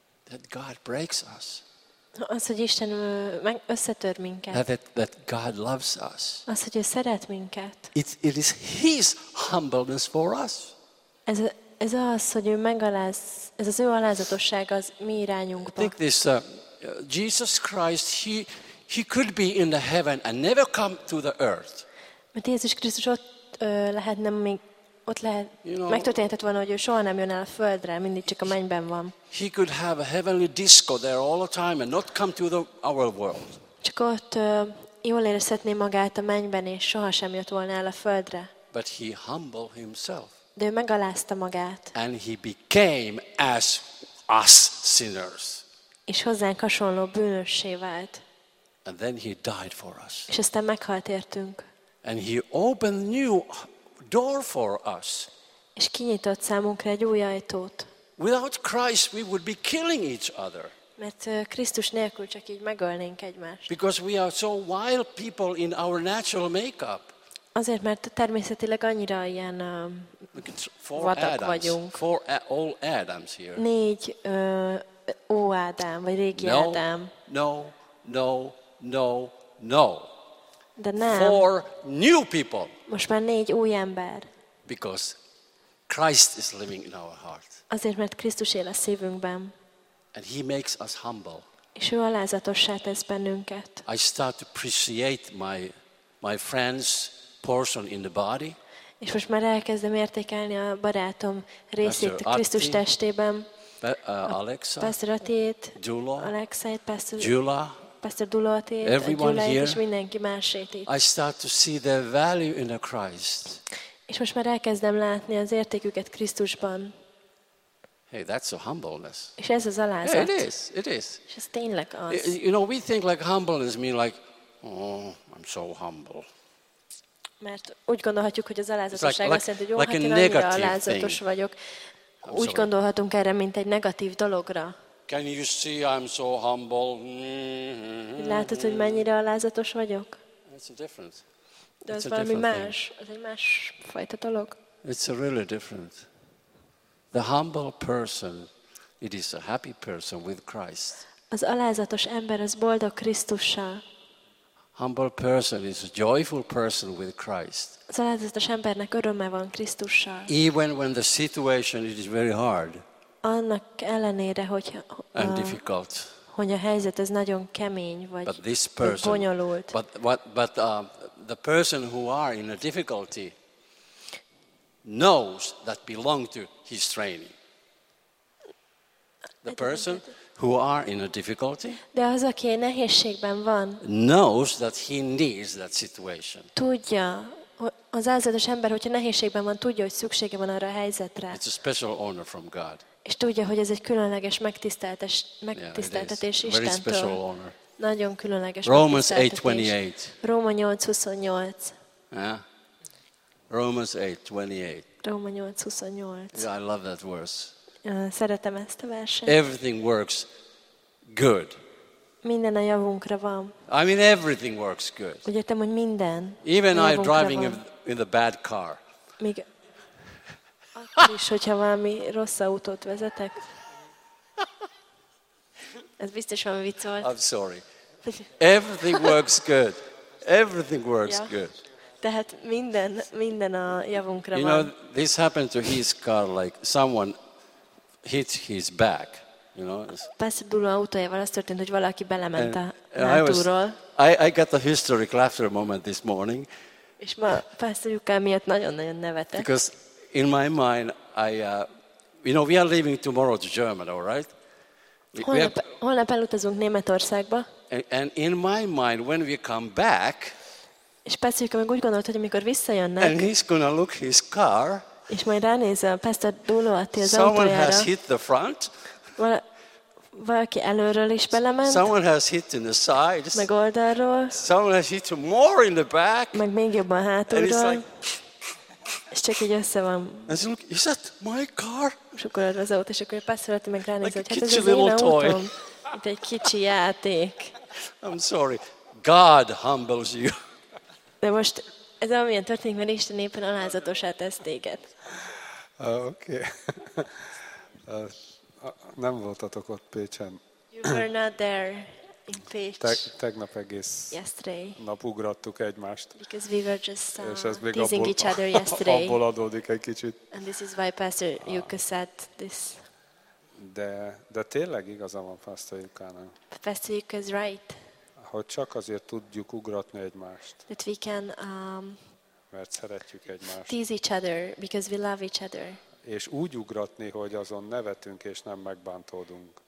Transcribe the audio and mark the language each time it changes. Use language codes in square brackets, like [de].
[en] That God breaks us. [hu] Az, hogy Isten összetör minket. [en] That God loves us. [hu] Az, hogy ő szeret minket. [en] It is His humbleness for us. [hu] Ez az, hogy ő megaláz, ez az ő alázatosság az mi irányunkba. [en] Think this, Jesus Christ, he could be in the heaven and never come to the earth. [hu] Mert Jézus Krisztus ott lehetne, még ott lehet, [en] you know, [hu] megtörténhetett volna, hogy ő soha nem jön el a földre, mindig csak a mennyben van. [en] He could have a heavenly disco there all the time and not come to our world. [hu] Csak ott jól érezhetné magát a mennyben, és soha sem jött volna el a földre. [en] But he humbled himself. [hu] De ő megalázta magát. [en] And he became as us sinners. [hu] És hozzánk hasonló bűnössé vált. [en] And then he died for us. [hu] És aztán meghalt értünk. [en] And he opened new door for us. [hu] És kinyitott számunkra egy új ajtót. [en] Without Christ we would be killing each other. [hu] Mert Krisztus nélkül csak így megölnénk egymást. [en] Because we are so wild people in our natural makeup. [hu] Azért, mert természetileg annyira ilyen vadak vagyunk. [en] Four old Adams here. [hu] Négy ó Ádám, vagy régi Ádám. [en] No, no, no, no. [hu] De nem. [en] Four new people. [hu] Most már négy új ember. [en] Because Christ is living in our heart. [hu] Azért, mert Krisztus él a szívünkben. [en] And he makes us humble. [hu] És ő alázatossá tesz bennünket. [en] I start to appreciate my friends' portion in the body. [hu] És most már elkezdem értékelni a barátom részét Krisztus testében. Alexa. Pastor Atiét. Dula. [en] Alexa. Pastor Dula. [hu] Pastor Dula Atiét. [en] Everyone Gyula here. [hu] És mindenki másét itt. [en] I start to see their value in the Christ. [hu] És most már elkezdem látni az értéküket Krisztusban. [en] Hey, that's a humbleness. [hu] És ez az alázat. [en] Yeah, it is. [hu] És ez tényleg az. [en] You know, we think like humbleness mean like, oh, I'm so humble. [hu] Mert úgy gondolhatjuk, hogy az alázatosság azt jelenti, hogy jó, hát én annyira alázatos vagyok. Úgy gondolhatunk erre, mint egy negatív dologra. [en] Can you see I'm so humble? [hu] Látod, hogy mennyire alázatos vagyok? [en] It's a different. [hu] De ez valami más. Ez egy más fajta dolog. [en] It's a really different. The humble person, it is a happy person with Christ. [hu] Az alázatos ember az boldog Krisztussal. [en] Humble person is a joyful person with Christ. [hu] Az alázatos embernek öröme van Krisztussal. [en] Even when the situation it is very hard. [hu] Annak ellenére, hogy [en] and difficult. [hu] Hogy a helyzet ez nagyon kemény vagy [en] but this person, [hu] bonyolult. [en] But the person who are in a difficulty knows that belong to his training. The person who are in a difficulty, [hu] de az, aki nehézségben van, [en] knows that he needs that situation. [hu] Tudja, az alázatos ember, hogyha nehézségben van, tudja, hogy szüksége van arra a helyzetre. [en] It's a special honor from God. [hu] És tudja, hogy ez egy különleges megtiszteltetés Istentől. [en] Very special honor. [hu] Nagyon különleges. [en] Romans 8:28. [hu] Róma 8:28. [en] Yeah. Romans 8:28. [hu] Róma 8:28. [en] Yeah, I love that verse. [hu] Szeretem ezt a verset. [en] Everything works good. [hu] Minden a javunkra van. [en] I mean everything works good. [hu] Úgy értem, hogy minden. [en] Even I driving in the bad car. [hu] Még akkor is, hogyha valami rossz autót vezetek. Ez biztos valami vicc volt. [en] I'm sorry. Everything works good. Everything works good. [hu] Tehát minden a javunkra van. [en] You know, this happened to his car, like someone hit his back. You know. [hu] Pastor Dula autójával az történt, hogy valaki belement a hátulról. [en] I got a historic laughter moment this morning. [hu] És ma Pastor Dula miatt nagyon-nagyon nevetett. [en] Because in my mind, we are leaving tomorrow to Germany, all right? [hu] Holnap elutazunk Németországba. [en] And in my mind, when we come back, [hu] és Pesztőke meg úgy gondolt, hogy amikor visszajönnek, [en] and he's gonna look his car, [hu] és majd ránéz a Pesztőr Dulo Atti az [en] someone [hu] autójára, [en] has hit the front, [hu] valaki előről is belement, [en] someone has hit in the sides, [hu] meg oldalról, [en] someone has hit more in the back, [hu] meg még jobban hátulról, [en] and it's like, [hu] és csak így össze van. [en] És look, is that my car? [hu] És akkor az autó, és akkor a pásztor alatt meg ránéz, [en] like [hu] hogy hát ez az én autóm. Mint egy kicsi játék. [en] I'm sorry. God humbles you. [hu] De most ez amilyen történik, mert Isten éppen alázatosá tesz téged. [en] Okay. [hu] Nem voltatok ott Pécsen. [en] You were not there in Pécs. [hu] Tegnap egész [en] yesterday [hu] nap ugrattuk egymást. [en] Because we were just teasing each other yesterday. [hu] Abból adódik egy kicsit. [en] And this is why Pastor Juka said this. [hu] De tényleg igaza van Pastor Jukának. [en] Pastor Juka is right. [hu] Hogy csak azért tudjuk ugratni egymást. [en] That we can [hu] mert szeretjük egymást. [en] Tease each other because we love each other. [hu] És úgy ugratni, hogy azon nevetünk és nem megbántódunk.